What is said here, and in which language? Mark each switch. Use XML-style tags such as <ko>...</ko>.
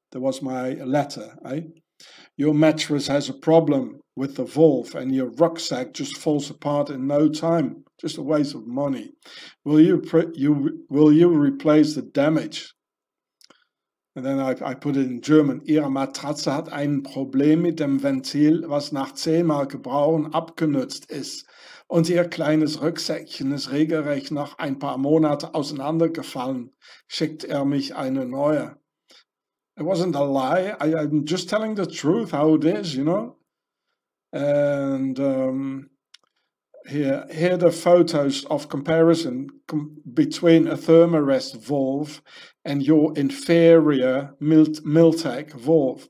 <en>That was my letter, eh? Your mattress has a problem with the Wolf and your rucksack just falls apart in no time. Just a waste of money. Will you replace the damage? And then I put it in German.</en> <de>Ihre Matratze hat ein Problem mit dem Ventil, was nach 10 Mal Gebrauchen abgenutzt ist. Und ihr kleines Rücksäckchen ist regelrecht nach ein paar Monate auseinandergefallen, schickt mich eine neue.</de> <en>It wasn't a lie. I'm just telling the truth how it is, you know. And here the photos of comparison between a Thermarest Wolf and your inferior Miltech Wolf.</en>